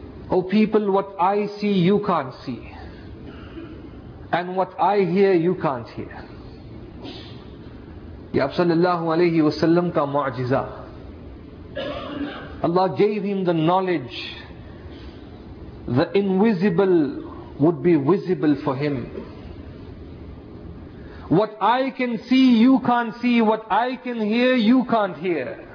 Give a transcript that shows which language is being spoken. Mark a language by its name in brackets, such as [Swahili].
[English] Oh people, what I see you can't see, and what I hear, you can't hear. [Urdu] یہ آپ صلی اللہ علیہ وسلم کا معجزہ. [English] Allah gave him the knowledge, the invisible would be visible for him. What I can see, you can't see. What I can hear, you can't hear.